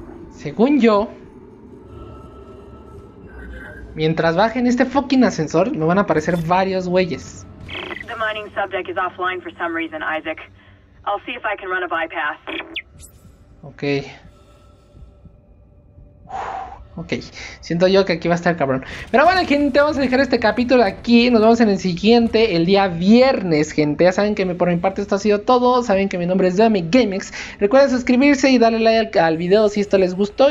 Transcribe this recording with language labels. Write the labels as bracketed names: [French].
[Spanish] Según yo, mientras bajen este fucking ascensor, me van a aparecer varios güeyes. [English] The mining subdeck is offline for some reason, Isaac. I'll see if I can run a bypass. Okay. [Spanish] Ok, siento yo que aquí va a estar cabrón. Pero bueno, gente, vamos a dejar este capítulo aquí. Nos vemos en el siguiente, el día viernes, gente. Ya saben que por mi parte esto ha sido todo. Saben que mi nombre es DamiGamex. Recuerden suscribirse y darle like al video si esto les gustó.